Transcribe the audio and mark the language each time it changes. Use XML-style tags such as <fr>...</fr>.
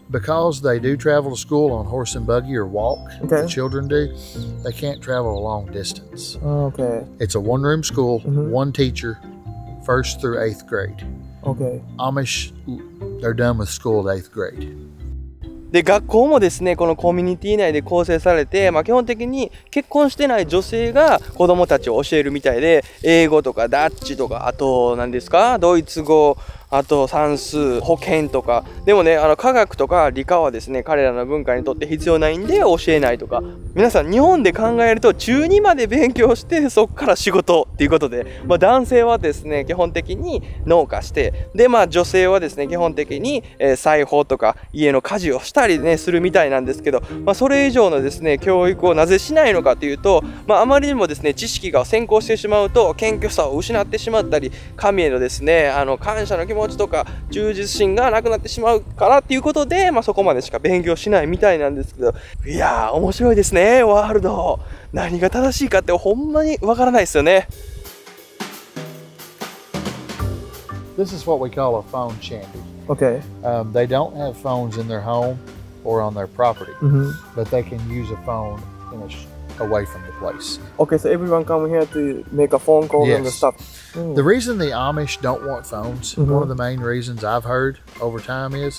<en>Because they do travel to school on horse and buggy or walk, okay. the children do, they can't travel a long distance. Okay. It's a one-room school, mm-hmm. one teacher, first through eighth grade. Okay. Amish, they're done with school at eighth grade.</en> <ja>で学校もですねこのコミュニティ内で構成されて、まあ、基本的に結婚してない女性が子供たちを教えるみたいで英語とかダッチとかあと何ですかドイツ語あと算数保健とかでもねあの科学とか理科はですね彼らの文化にとって必要ないんで教えないとか皆さん日本で考えると中2まで勉強してそこから仕事っていうことで、まあ、男性はですね基本的に農家してでまあ女性はですね基本的に、裁縫とか家の家事をしたりねするみたいなんですけど、まあ、それ以上のですね教育をなぜしないのかというと、まあ、あまりにもですね知識が先行してしまうと謙虚さを失ってしまったり神へのですねあの感謝の気持ちとか忠実心がなくなってしまうからっていうことで、まあ、そこまでしか勉強しないみたいなんですけどいやー面白いですねワールド何が正しいかってほんまにわからないですよね</ja> <en>This is what we call a phone shanty Okay. They don't have phones in their home or on their property, mm-hmm. but they can use a phone in away from the place. Okay, so everyone come here to make a phone call yes. and the stuff. Mm. The reason the Amish don't want phones, mm-hmm. one of the main reasons I've heard over time is</en>